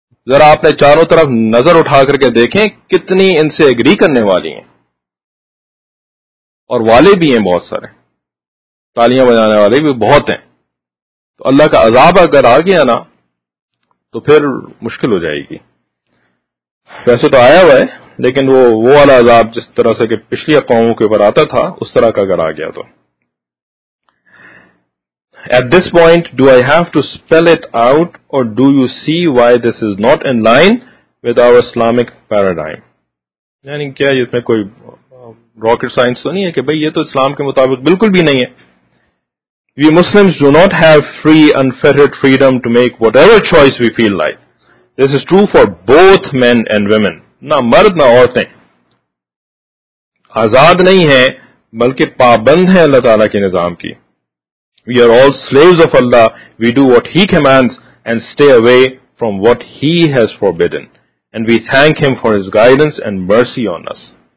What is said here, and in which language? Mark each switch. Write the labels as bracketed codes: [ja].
[ur] ذرا آپ نے چاروں طرف نظر اٹھا کر کے دیکھیں کتنی ان سے ایگری کرنے والی ہیں, اور والے بھی ہیں بہت سارے, تالیاں بجانے والے بھی بہت ہیں. تو اللہ کا عذاب اگر آ گیا نا تو پھر مشکل ہو جائے گی. ویسے تو آیا ہوا ہے, لیکن وہ والا عذاب جس طرح سے کہ پچھلی قوموں کے اوپر آتا تھا, اس طرح کا اگر آ گیا تو. [en] At this point, do I have to spell it out or do you see why this is not in line with our Islamic paradigm? [ur] یعنی کیا اس میں کوئی rocket science تو نہیں ہے کہ بھئی یہ تو اسلام کے مطابق بالکل بھی نہیں ہے. [en] We Muslims do not have free, unfettered freedom to make whatever choice we feel like. This is true for both men and women. [ur] نہ مرد نہ عورتیں آزاد نہیں ہیں, بلکہ پابند ہیں اللہ تعالیٰ کے نظام کی. [en] We are all slaves of Allah. We do what He commands and stay away from what He has forbidden. And we thank Him for His guidance and mercy on us.